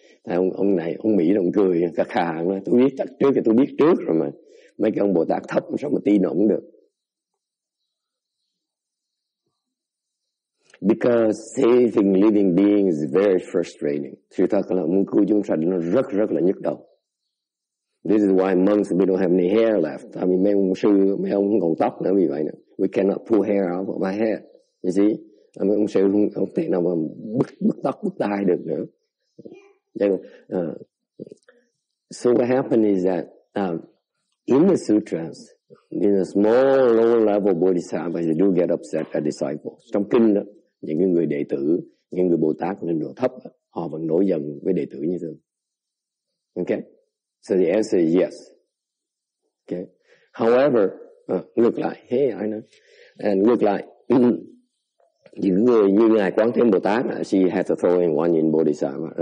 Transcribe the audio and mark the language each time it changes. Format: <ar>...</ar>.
<vi>Thấy ông này, ông Mỹ, ông cười, khắc khà, nói, tôi biết chắc trước, tôi biết trước rồi mà. Mấy cái ông Bồ Tát thấp, sao mà tin ổng được.</vi> <en>Because saving living beings is very frustrating.</en> <vi>Sự thật là muốn cứu chúng sanh nó rất rất là nhức đầu.</vi> <en>This is why monks, we don't have any hair left. I mean,</en> <vi>mấy ông sư, mấy ông không còn tóc nữa, vì vậy nữa.</vi> <en>We cannot pull hair out of my head.</en> <vi>You see, mấy ông sư không thể nào mà bứt tóc, bứt tai được nữa.</vi> <en>Then, so what happened is that in the sutras, in the small, low-level bodhisattvas, they do get upset at disciples.</en> <vi>Trong kinh đó, những người đệ tử, những người Bồ Tát lên độ thấp, họ vẫn nổi giận với đệ tử như thường.</vi> <en>Okay? So the answer is yes. Okay? However,</en> <vi>ngược lại,</vi> <en>hey, I know.</en> <vi>And ngược lại, những người như ngài Quán Thế Bồ Tát,</vi> <en>she had to throw in one in Bodhisattva.</en>